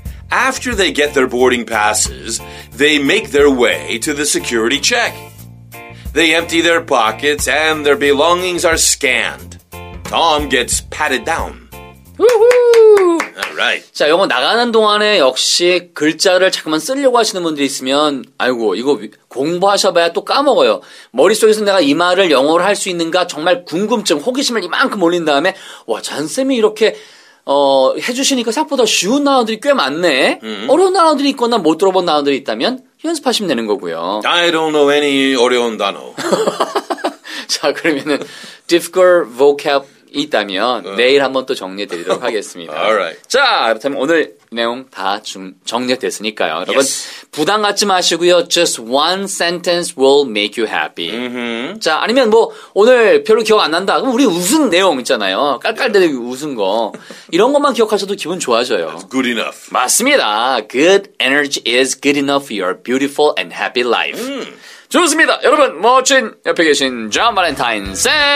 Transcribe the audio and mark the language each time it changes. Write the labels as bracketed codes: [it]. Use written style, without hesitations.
[en] After they get their boarding passes, they make their way to the security check. They empty their pockets and their belongings are scanned. Tom gets patted down. Woohoo! All right. [ko] 자, 이거 나가는 동안에 역시 글자를 자꾸만 쓰려고 하시는 분들이 있으면 아이고, 이거 공부하셔봐야 또 까먹어요. 머릿속에서 내가 이 말을 영어로 할 수 있는가 정말 궁금증, 호기심을 이만큼 올린 다음에 와, 잔쌤이 이렇게 해주시니까 생각보다 쉬운 단어들이 꽤 많네. 어려운 단어들이 있거나 못 들어본 단어들이 있다면 연습하시면 되는 거고요. [en] I don't know any [ko] 어려운 단어. 자, 그러면은 [en] difficult vocab [ko] 있다면 내일 한번 또 정리해드리도록 하겠습니다. [en] Alright. [ko] 자, 그렇다면 오늘 내용 다 정리됐으니까요. 여러분, [en] yes. [ko] 부담 갖지 마시고요. [en] Just one sentence will make you happy. Mm-hmm. [ko] 자, 아니면 뭐 오늘 별로 기억 안 난다. 그럼 우리 웃은 내용 있잖아요. 깔깔대고 yeah. 웃은 거. 이런 것만 기억하셔도 기분 좋아져요. [en] That's good enough. [ko] 맞습니다. [en] Good energy is good enough for your beautiful and happy life. [ko] 좋습니다. 여러분, 멋진 옆에 계신 존 발렌타인 쌤.